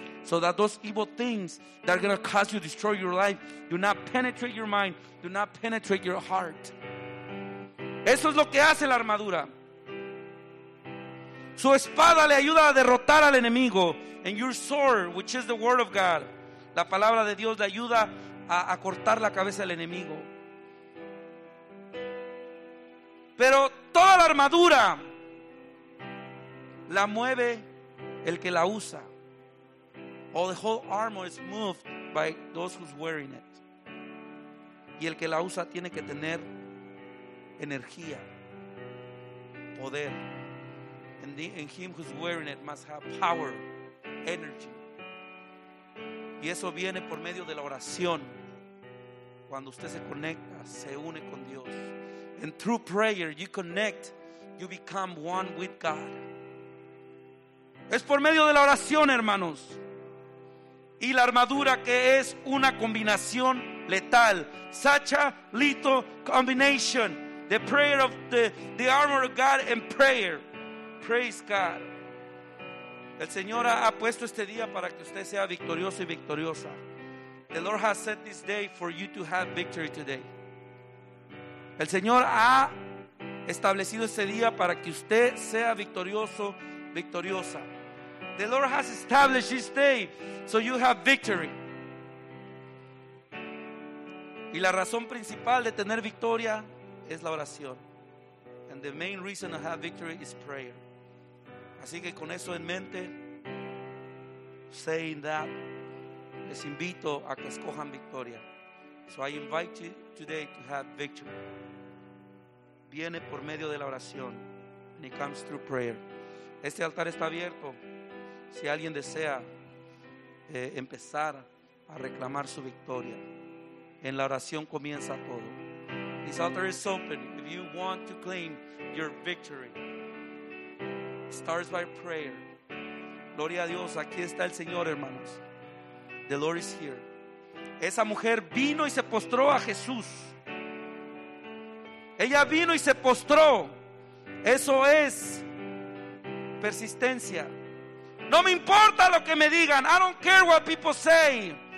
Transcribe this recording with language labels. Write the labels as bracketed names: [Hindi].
[English] So that those evil things that are going to cause you to destroy your life do not penetrate your mind, do not penetrate your heart. [Spanish] Eso es lo que hace la armadura. Su espada le ayuda a derrotar al enemigo. [English] And your sword, which is the word of God, [Spanish] la palabra de Dios le ayuda a cortar la cabeza del enemigo. Pero toda la armadura la mueve el que la usa. [English] All the whole armor is moved by those who's wearing it. [Spanish] Y el que la usa tiene que tener energía, poder. [English] And him who's wearing it must have power, energy. [Spanish] Y eso viene por medio de la oración. Cuando usted se conecta, se une con Dios. [English] And through prayer, you connect, you become one with God. [Spanish] Es por medio de la oración, hermanos. Y la armadura, que es una combinación letal. [English] Such a lethal combination. The prayer of the armor of God and prayer. Praise God. [Spanish] El Señor ha puesto este día para que usted sea victorioso y victoriosa. [English] The Lord has set this day for you to have victory today. [Spanish] El Señor ha establecido este día para que usted sea victorioso, victoriosa. [English] The Lord has established this day so you have victory. [Spanish] Y la razón principal de tener victoria es la oración. [English] And the main reason to have victory is prayer. [Spanish] Así que con eso en mente, [English] saying that, [Spanish] les invito a que escojan victoria. [English] So I invite you today to have victory. [Spanish] Viene por medio de la oración. [English] And it comes through prayer. [Spanish] Este altar está abierto. Si alguien desea empezar a reclamar su victoria, en la oración comienza todo. [English] This altar is open. If you want to claim your victory, starts by prayer. [Spanish] Gloria a Dios. Aquí está el Señor, hermanos. [English] The Lord is here. [Spanish] Esa mujer vino y se postró a Jesús. Ella vino y se postró. Eso es persistencia. No me importa lo que me digan. [English] I don't care what people say.